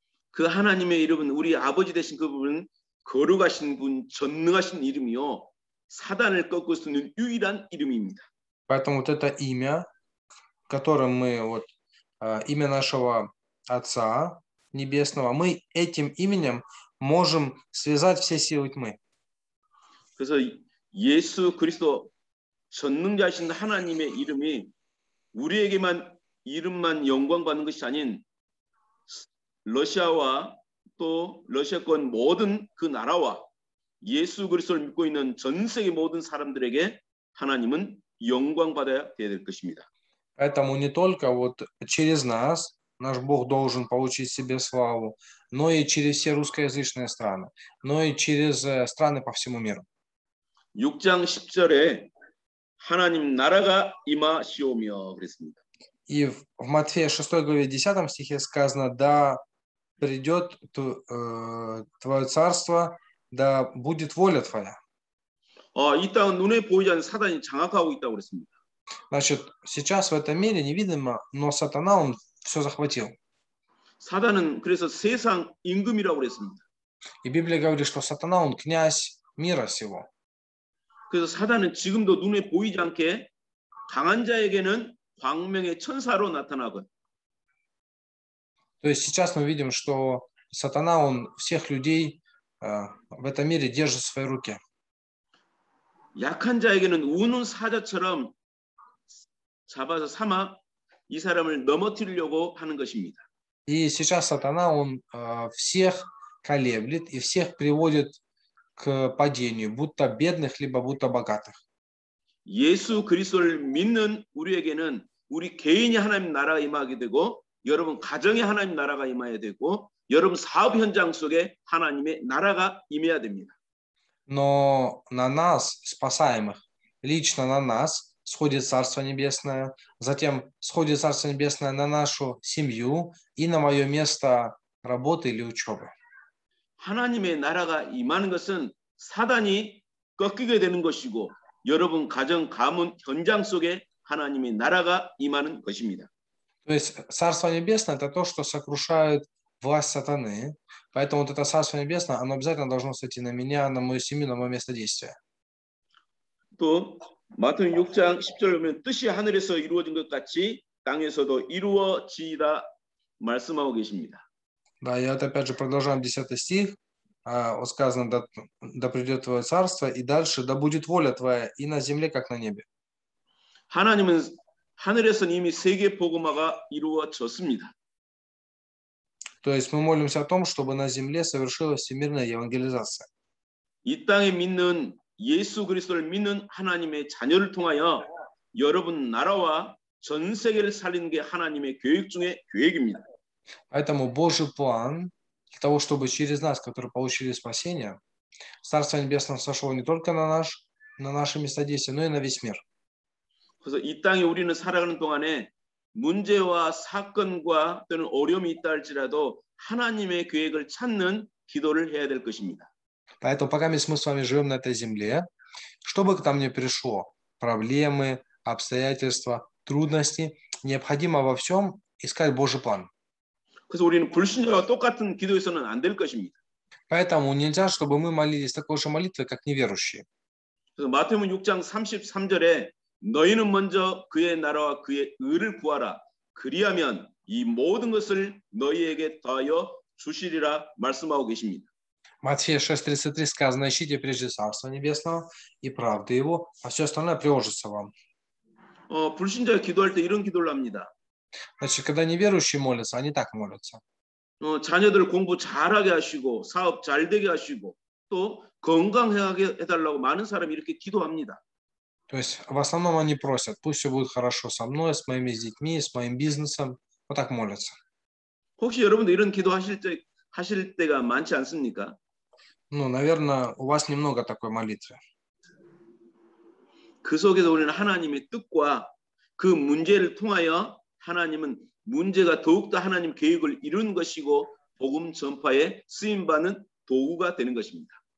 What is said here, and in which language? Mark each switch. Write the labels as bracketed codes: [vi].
[ko] 그 하나님의 이름은 우리 아버지 되신 그분은 거룩하신 분, 전능하신 이름이요 사단을 꺾을 수 있는 유일한 이름입니다. [ru] Поэтому вот это имя, которым мы вот имя нашего Отца Небесного, мы этим именем можем связать все силы тьмы. [ko] 그래서 예수 그리스도 전능자이신 하나님의 이름이 우리에게만 이름만 영광 받는 것이 아닌 러시아와 또 러시아권 모든 그 나라와 예수 그리스도를 믿고 있는 전 세계 모든 사람들에게 하나님은 영광 받아야 돼야 될 것입니다. [ru] Поэтому не только вот через нас наш Бог должен получить себе славу, но и через все русскоязычные страны, но и через страны по всему миру. [ko] 6장 10절에 하나님 나라가 임하시오며 그랬습니다. [ru] И в Матфея 6 главе 10 стихе сказано: да придет твое царство, да будет воля твоя. [ko] 이 땅 눈에 보이지 않는 사단이 장악하고 있다고 그랬습니다. [ru] Значит, сейчас в этом мире невидимо, но сатана он все захватил. [ko] 사단은 그래서 세상 임금이라고 그랬습니다. [ru] И Библия говорит, что сатана он князь мира сего. [ko] 그래서 사단은 지금도 눈에 보이지 않게 강한 자에게는 광명의 천사로 나타나고. [ru] То есть сейчас мы видим, что сатана он всех людей в этом мире держит в своей руке. [ko] 약한 자에게는 우는 사자처럼 잡아서 삼아 이 사람을 넘어뜨리려고 하는 것입니다. [ru] И сейчас сатана он всех колеблет и всех приводит к падению, будто бедных либо будто богатых. [ko] 예수 그리스도를 믿는 우리에게는 우리 개인이 하나님 나라에 임하게 되고 여러분 가정에 하나님 나라가 임해야 되고 여러분 사업 현장 속에 하나님의 나라가 임해야 됩니다. [ru] Но на нас, спасаемых, лично на нас сходит Царство Небесное, затем сходит Царство Небесное на нашу семью и на мое место работы или учебы. [ko] 하나님의 나라가 임하는 것은 사단이 꺾이게 되는 것이고 여러분 가정, 가문, 현장 속에 하나님의 나라가 임하는 것입니다. [ru] То есть Царство Небесное – это то, что сокрушает власть сатаны. Поэтому вот это Царство Небесное, оно обязательно должно сойти на меня, на мою семью, на мое место действия. [ko] 또 마태복음 6장 10절에 보면 뜻이 하늘에서 이루어진 것 같이 땅에서도 이루어지이다 말씀하고 계십니다. [ru] Да, и вот опять же продолжаем 10 стих. Вот сказано, да придет твое царство, и дальше, да будет воля твоя и на земле, как на небе. [ko] 하나님은 하늘에서 이미 세계 복음화가 이루어졌습니다. [ru] То есть мы молимся о том, чтобы на земле совершилась всемирная евангелизация. [ko] 이 땅에 믿는 예수 그리스도를 믿는 하나님의 자녀를 통하여 여러분 나라와 전 세계를 살리는 게 하나님의 계획 중의 계획입니다. [ru] Поэтому Божий план для того, чтобы через нас, которые получили спасение, Царство Небесное сошло не только на наш, на наши места действия, но и на весь мир. [ko] 그래서 이 땅에 우리는 살아가는 동안에 문제와 사건과 또는 어려움이 있다 할지라도 하나님의 계획을 찾는 기도를 해야 될 것입니다. [ru] Поэтому пока мы с вами живем на этой земле, чтобы к нам не пришло проблемы, обстоятельства, трудности, необходимо во всем искать Божий план. [ko] 그래서 우리는 불신자와 똑같은 기도에서는 안 될 것입니다. [ru] Поэтому нельзя, чтобы мы молились такой же молитвой, как неверующие. [ko] 그래서 마태복음 6장 33절에 너희는 먼저 그의 나라와 그의 의를 구하라. 그리하면 이 모든 것을 너희에게 더하여 주시리라 말씀하고 계십니다. [ru] Матфея 6:33 сказано: ищите прежде Царства Небесного и правды Его, а все остальное приложится вам. [ko] 불신자가 기도할 때 이런 기도를 합니다. [ru] Значит, когда неверующие молятся, они так молятся. [ko] 자녀들 공부 잘하게 하시고 사업 잘 되게 하시고 또 건강하게 해달라고 많은 사람이 이렇게 기도합니다. [ru] То есть в основном они просят, пусть все будет хорошо со мной, с моими детьми, с моим бизнесом. Вот так молятся. [ko] 혹시 여러분도 이런 기도하실 때 하실 때가 많지 않습니까? [ru] Ну, наверное, у вас немного такой молитвы. [ko] 그 속에서 우리는 하나님의 뜻과 그 문제를 통하여 하나님은 문제가 더욱더 하나님 계획을 이루는 것이고 복음 전파에 쓰임받는 도구가 되는 것입니다.